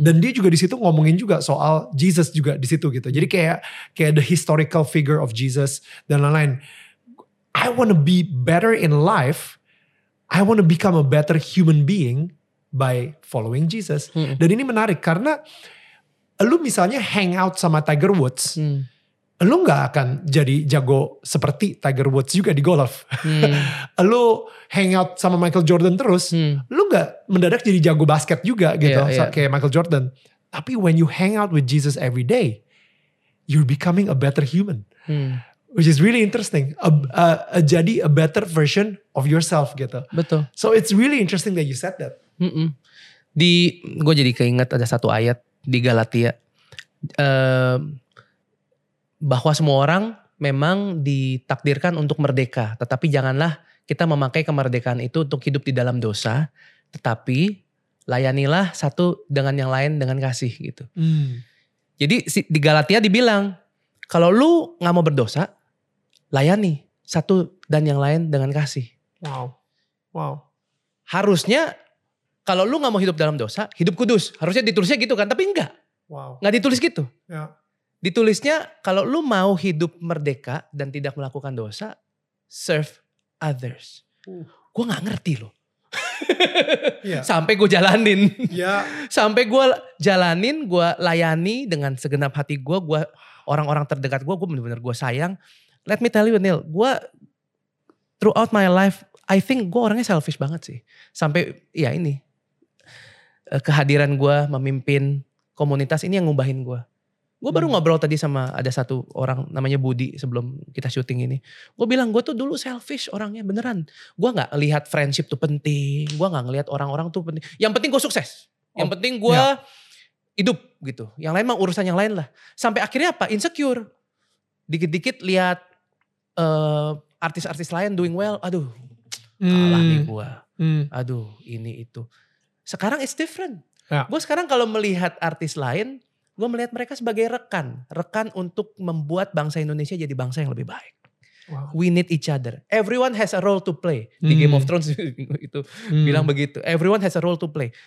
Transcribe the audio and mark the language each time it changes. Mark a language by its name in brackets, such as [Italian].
[Indonesian] Dan dia juga di situ ngomongin juga soal Jesus juga di situ gitu. Jadi kayak [English] the historical figure of Jesus [Indonesian] dan lain-lain. [English] I wanna be better in life. I wanna become a better human being by following Jesus. [Indonesian] Hmm. Dan ini menarik karena lu misalnya hang out sama Tiger Woods, lu gak akan jadi jago seperti Tiger Woods juga di golf. Lu hang out sama Michael Jordan terus, lu gak mendadak jadi jago basket juga gitu, kayak Michael Jordan. Tapi [English] when you hang out with Jesus every day, you're becoming a better human. Which is really interesting. [Indonesian] Jadi [English] a better version of yourself gitu. [Indonesian] Betul. [English] So it's really interesting that you said that. Mm-mm. [Indonesian] Di, gue jadi keinget ada satu ayat di Galatia, bahwa semua orang memang ditakdirkan untuk merdeka, tetapi janganlah kita memakai kemerdekaan itu untuk hidup di dalam dosa, tetapi layanilah satu dengan yang lain dengan kasih gitu. Jadi di Galatia dibilang, kalau lu gak mau berdosa, layani satu dan yang lain dengan kasih. Wow. Harusnya, kalau lu gak mau hidup dalam dosa, hidup kudus. Harusnya ditulisnya gitu kan, tapi enggak. Wow. Gak ditulis gitu. [English] Yeah. [Indonesian] Ditulisnya, kalau lu mau hidup merdeka dan tidak melakukan dosa, [English] serve others. [Indonesian] Gue gak ngerti loh. [English] Yeah. [Indonesian] Sampai gue jalanin. [English] Yeah. [Indonesian] Sampai gue jalanin, gue layani dengan segenap hati gue, orang-orang terdekat gue bener-bener gue sayang. [English] Let me tell you Neil, gue throughout my life, I think gue orangnya selfish banget sih. [Indonesian] Sampai ya ini, kehadiran gue memimpin komunitas ini yang ngubahin gue. Gue baru ngobrol tadi sama ada satu orang namanya Budi sebelum kita syuting ini. Gue bilang gue tuh dulu selfish orangnya beneran. Gue gak lihat friendship tuh penting, gue gak ngelihat orang-orang tuh penting. Yang penting gue sukses, yang penting gue hidup gitu. Yang lain mah urusan yang lain lah. Sampai akhirnya apa? Insecure. Dikit-dikit lihat artis-artis lain [English] doing well, [Indonesian] aduh. Kalah nih gue. Aduh ini itu. Sekarang [English] it's different. [Indonesian] Ya. Gue sekarang kalau melihat artis lain, gue melihat mereka sebagai rekan. Rekan untuk membuat bangsa Indonesia jadi bangsa yang lebih baik. Wow. [English] We need each other. Everyone has a role to play. [Indonesian] Di Game of Thrones itu bilang begitu. [English] Everyone has a role to play.